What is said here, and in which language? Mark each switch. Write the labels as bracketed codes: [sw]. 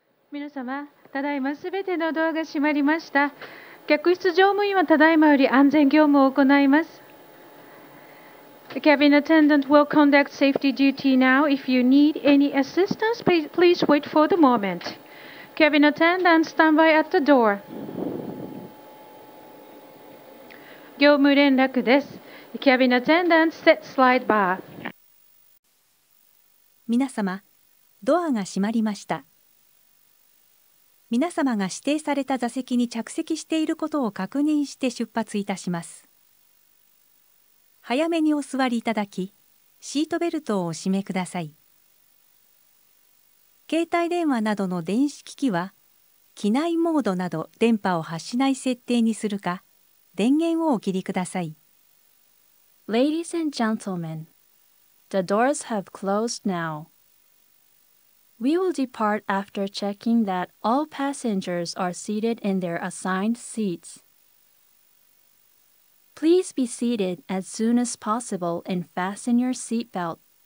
[ja] 皆様、ただいますべてのドアが閉まりました。客室乗務員はただいまより安全業務を行います。 [en] The cabin attendant will conduct safety duty now. If you need any assistance, please wait for the moment. Cabin attendant, stand by at the door. [ja] 業務連絡です。 [en] The cabin attendant, set slide bar. [ja] 皆様、ドアが閉まりました。皆様が指定された座席に着席していることを確認して出発いたします。早めにお座りいただき、シートベルトをお締めください。携帯電話などの電子機器は、機内モードなど電波を発しない設定にするか、電源をお切りください。 [en] Ladies and gentlemen, the doors have closed now. We will depart after checking that all passengers are seated in their assigned seats. Please be seated as soon as possible and fasten your seatbelt.